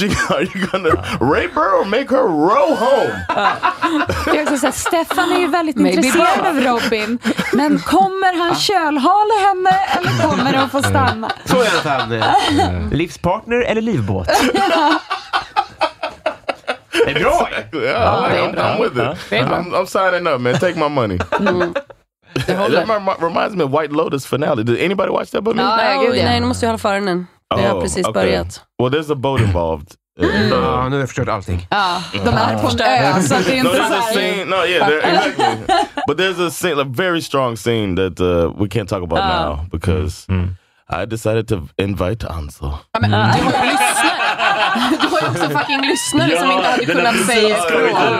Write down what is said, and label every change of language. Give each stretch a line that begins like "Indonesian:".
English: Are you gonna rape her or make her row home?
Swedish: Jag ska säga, Stefan är ju väldigt intresserad av Robin, men kommer han kölhala henne eller kommer hon få stanna? Så är det här. Livspartner eller livbåt?
English: I'm signing up, man. Take my money. reminds me of White Lotus finale. Did anybody watch that but me?
Swedish: Nej, nu måste jag hålla för den. Det har precis börjat.
English: Well, there's a boat involved.
Swedish: Nu har jag förstört allting. De är på en ö, så det är inte
English: så. No, yeah, exactly. But there's a scene, a very strong scene that we can't talk about now, because I decided to invite Ansel.
Swedish: Men du måste lyssna. Du har ju också fucking lyssnare som inte hade kunnat säga språket.